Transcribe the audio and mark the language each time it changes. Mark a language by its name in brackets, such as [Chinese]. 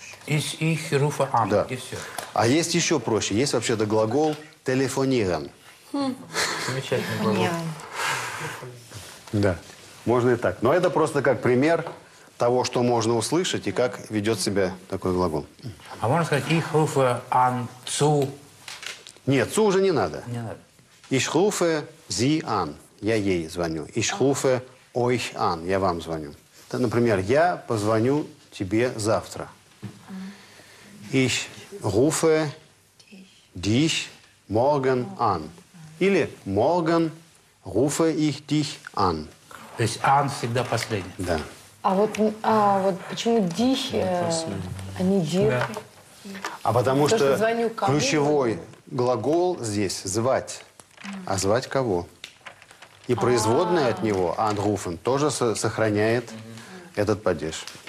[German] Ich rufe an. [Russian] Да. И все. А есть еще проще. Есть вообще-то глагол telefonieren. Замечательный глагол. Да. Можно и так. Но это просто как пример того, что можно услышать и как ведет себя такой глагол. А можно сказать [German] ich rufe an zu? [Russian] Нет, zu уже не надо. Не надо. [German] Ich rufe sie an. [Russian] Я ей звоню. [German] Ich rufe euch an. [Russian] Я вам звоню. Например, я позвоню тебе завтра. [German] Ich rufe dich morgen an. Или morgen rufe ich dich an. [Russian] То есть an всегда последний. Да. А вот почему dich, а не dir? А потому что ключевой глагол здесь – звать. А звать кого? И производное от него, anrufen, тоже сохраняет этот падеж.